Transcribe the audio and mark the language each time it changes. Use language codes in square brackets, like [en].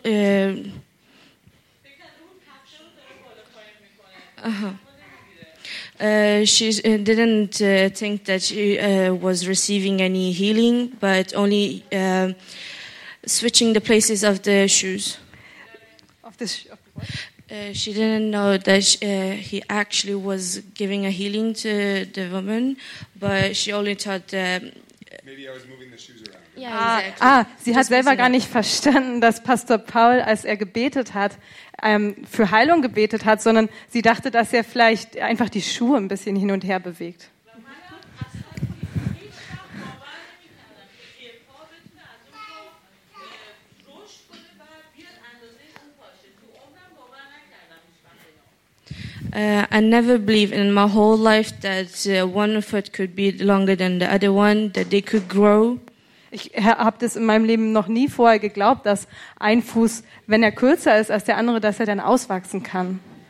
[en] She didn't think that she was receiving any healing, but only switching the places of the shoes. Of the what? She didn't know that he actually was giving a healing to the woman, but she only thought that... Maybe I was moving the shoes around. Yeah, exactly. [de] Sie hat selber gar nicht verstanden, dass Pastor Paul, als er gebetet hat, für Heilung gebetet hat, sondern sie dachte, dass er vielleicht einfach die Schuhe ein bisschen hin und her bewegt. [en] I never believed in my whole life that one foot could be longer than the other one, that they could grow. [de] Ich habe das in meinem Leben noch nie vorher geglaubt, dass ein Fuß, wenn er kürzer ist als der andere, dass er dann auswachsen kann.